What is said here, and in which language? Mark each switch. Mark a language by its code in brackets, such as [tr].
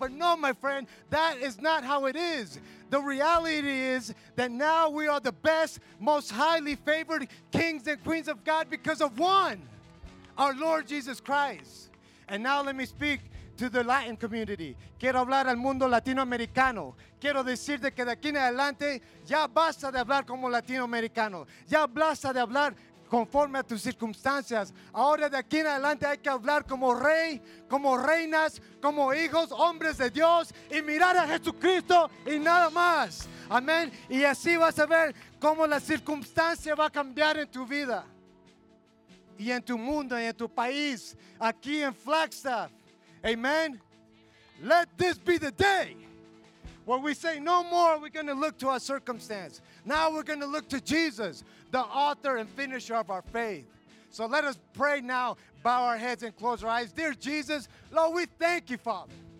[en] But no, my friend, that is not how it is. The reality is that now we are the best, most highly favored kings and queens of God because of one, our Lord Jesus Christ. And now let me speak to the Latin community. [es] Quiero hablar al mundo latinoamericano. Quiero decirte que de aquí en adelante ya basta de hablar como latinoamericano. Ya basta de hablar conforme a tus circunstancias. Ahora de aquí en adelante hay que hablar como rey, como reinas, como hijos, hombres de Dios, y mirar a Jesucristo y nada más. Amén. Y así vas a ver cómo la circunstancia va a cambiar en tu vida y en tu mundo y en tu país, aquí en Flagstaff. [en] Amen. Let this be the day where we say no more we're going to look to our circumstance. Now we're going to look to Jesus, the author and finisher of our faith. So let us pray now, bow our heads and close our eyes. Dear Jesus, Lord, we thank you, Father.